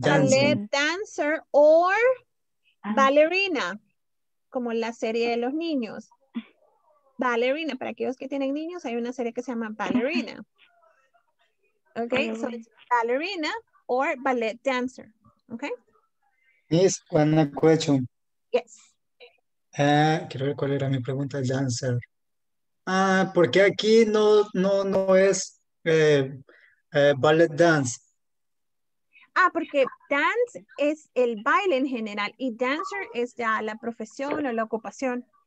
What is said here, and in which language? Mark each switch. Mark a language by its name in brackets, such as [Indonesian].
[English] Ballet dancer or ballerina, [Spanish] como la serie de los niños. Ballerina, para aquellos que tienen niños, hay una serie que se llama Ballerina. [English] Okay, so it's ballerina or ballet dancer, okay? Yes, one question. Yes. [Spanish] Quiero ver cuál era mi pregunta, el dancer. Ah, porque aquí no es ballet dance. Ah, porque dance es el baile en general y dancer es ya la profesión o la ocupación.